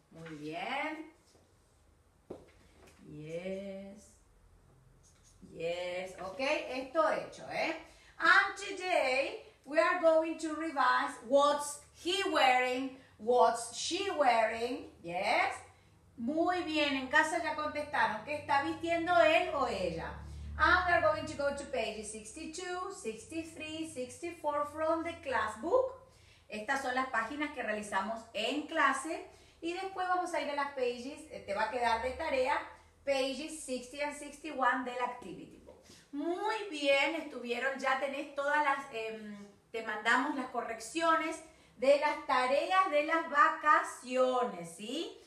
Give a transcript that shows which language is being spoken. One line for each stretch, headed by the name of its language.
Spanish: Muy bien.
English: Yes. Yes. Okay,
Spanish: esto hecho, ¿eh?
English: And today we are going to revise what's he wearing, what's she wearing. Yes.
Spanish: Muy bien, en casa ya contestaron qué está vistiendo él o ella.
English: And we are going to go to pages 62, 63, 64 from the class book.
Spanish: Estas son las páginas que realizamos en clase. Y después vamos a ir a las pages, te va a quedar de tarea,
English: pages 60 and 61
Spanish: del activity book. Muy bien, estuvieron, ya tenés todas las, te mandamos las correcciones de las tareas de las vacaciones, ¿sí?